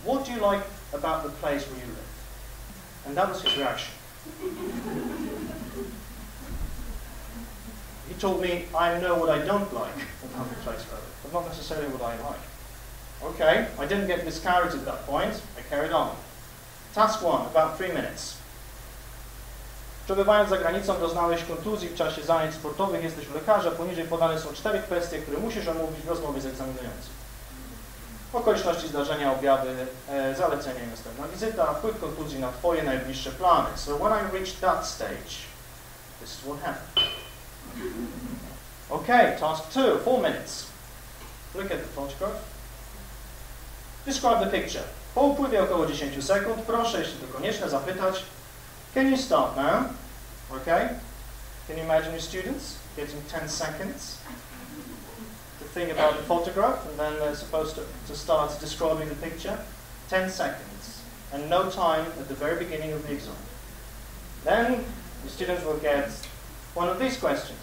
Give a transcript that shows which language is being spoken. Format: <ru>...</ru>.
<en>What do you like about the place where you live? And that was his reaction. He told me, I know what I don't like about the place where I live, but not necessarily what I like. Okay, I didn't get discouraged at that point. I carried on. Task one, about 3 minutes.</en> <pl>Przebywając za granicą, doznałeś kontuzji w czasie zajęć sportowych, jesteś u lekarza. Poniżej podane są cztery kwestie, które musisz omówić w rozmowie z egzaminującym. Okoliczności zdarzenia, objawy, zalecenia i następna wizyta, wpływ kontuzji na twoje najbliższe plany.</pl> <en>So when I reached that stage, this is what happened. Okay, task two, 4 minutes. Look at the photograph. Describe the picture.</en> <pl>Po upływie około 10 sekund, proszę, jeśli to konieczne, zapytać.</pl> <en>Can you start now? Okay. Can you imagine your students getting 10 seconds to think about the photograph and then they're supposed to start describing the picture? 10 seconds. And no time at the very beginning of the exam. Then the students will get one of these questions.</en>